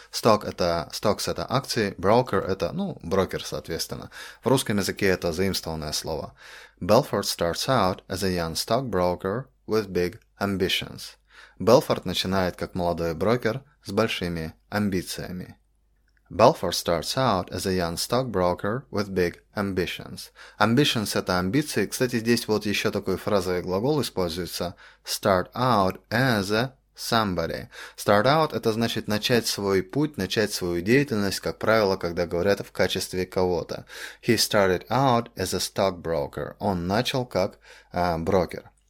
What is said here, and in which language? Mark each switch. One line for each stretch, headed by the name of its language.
Russian: Stock это, stocks это акции, broker это, ну, брокер, соответственно. В русском языке это заимствованное слово.
English: Belfort starts out as a young stock broker with big ambitions.
Russian: Belfort начинает как молодой брокер с большими амбициями.
English: Belfort starts out as a young stockbroker with big ambitions.
Russian: Ambitions – это амбиции. Кстати, здесь вот еще такой фразовый глагол используется.
English: Start out as a somebody.
Russian: Start out – это значит начать свой путь, начать свою деятельность, как правило, когда говорят в качестве кого-то.
English: He started out as a stockbroker.
Russian: Он начал как брокер.